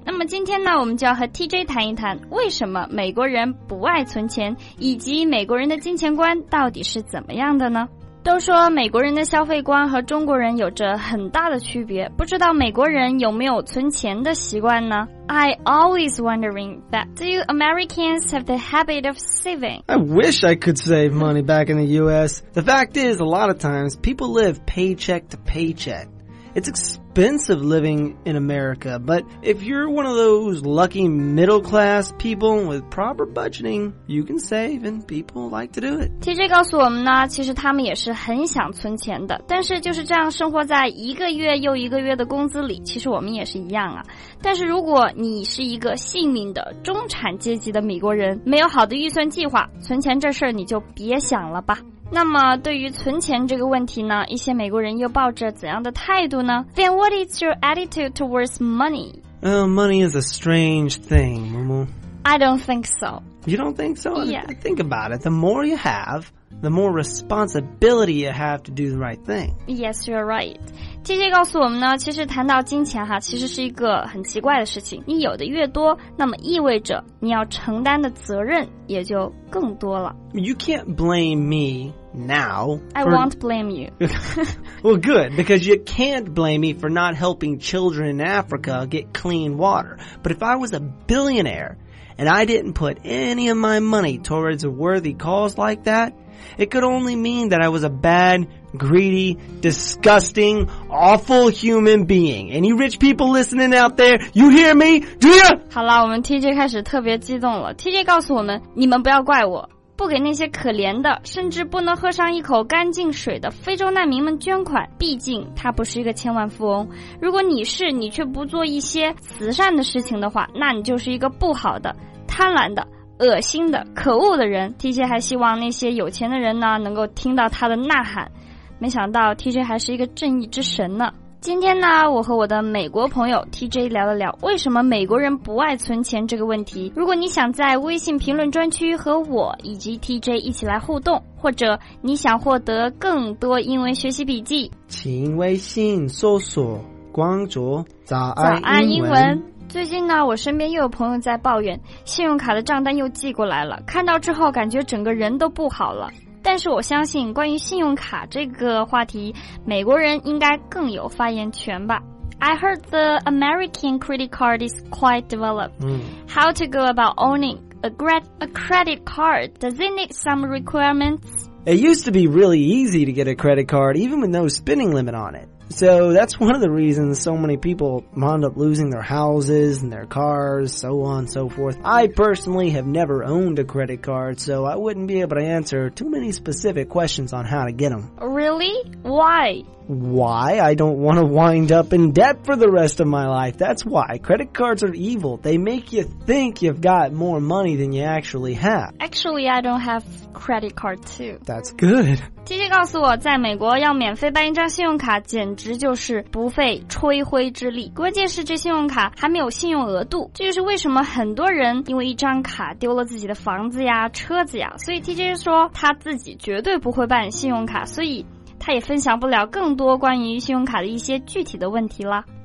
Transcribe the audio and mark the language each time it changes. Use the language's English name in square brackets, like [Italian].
[Chinese] 那么今天呢，我们就要和 TJ 谈一谈，为什么美国人不爱存钱，以及美国人的金钱观到底是怎么样的呢？都说美国人的消费观和中国人有着很大的区别，不知道美国人有没有存钱的习惯呢？ [English] I always wondering that do you Americans have the habit of saving? I wish I could save money back in the US. The fact is, a lot of times people live paycheck to paycheck. It's expensive living in America, but if you're one of those lucky middle class people with proper budgeting, you can save and people like to do it. [Chinese] TJ 告诉我们呢，其实他们也是很想存钱的，但是就是这样生活在一个月又一个月的工资里，其实我们也是一样啊。但是如果你是一个幸运的中产阶级的美国人，没有好的预算计划，存钱这事儿你就别想了吧。那么对于存钱这个问题呢，一些美国人又抱着怎样的态度呢？ [English] Then what is your attitude towards money? Money is a strange thing, Mumu. I don't think so. You don't think so? Yeah. Think about it. The more you have, the more responsibility you have to do the right thing. Yes, you're right. [Chinese] TJ 告诉我们呢，其实谈到金钱哈，其实是一个很奇怪的事情。你有的越多，那么意味着你要承担的责任也就更多了。 [English] You can't blame me now. I won't blame you. Well, good, because you can't blame me for not helping children in Africa get clean water. But if I was a billionaire and I didn't put any of my money towards a worthy cause like that, it could only mean that I was a bad... greedy, disgusting, awful human being. Any rich people listening out there, you hear me? Do you? [Chinese] 好了，我们 TJ 开始特别激动了。TJ 告诉我们，你们不要怪我，不给那些可怜的，甚至不能喝上一口干净水的非洲难民们捐款。毕竟他不是一个千万富翁。如果你是，你却不做一些慈善的事情的话，那你就是一个不好的、贪婪的。恶心的可恶的人 TJ 还希望那些有钱的人呢能够听到他的呐喊，没想到 TJ 还是一个正义之神呢。今天呢，我和我的美国朋友 TJ 聊了聊为什么美国人不爱存钱这个问题。如果你想在微信评论专区和我以及 TJ 一起来互动，或者你想获得更多英文学习笔记，请微信搜索光卓早安英文。早安英文。最近呢，我身边又有朋友在抱怨信用卡的账单又寄过来了，看到之后感觉整个人都不好了。但是我相信关于信用卡这个话题，美国人应该更有发言权吧。 [English] I heard the American credit card is quite developed. How to go about owning a credit card? Does it need some requirements? It used to be really easy to get a credit card even with no spending limit on it. So that's one of the reasons so many people wound up losing their houses and their cars, so on and so forth. I personally have never owned a credit card, so I wouldn't be able to answer too many specific questions on how to get them. Really? Why? Why? I don't want to wind up in debt for the rest of my life. That's why. Credit cards are evil. They make you think you've got more money than you actually have. Actually, I don't have credit card too. That's good. [Chinese] TJ 告诉我，在美国要免费办一张信用卡简直就是不费吹灰之力，关键是这信用卡还没有信用额度。这就是为什么很多人因为一张卡丢了自己的房子呀、车子呀。所以 TJ 说他自己绝对不会办信用卡，所以他也分享不了更多关于信用卡的一些具体的问题了。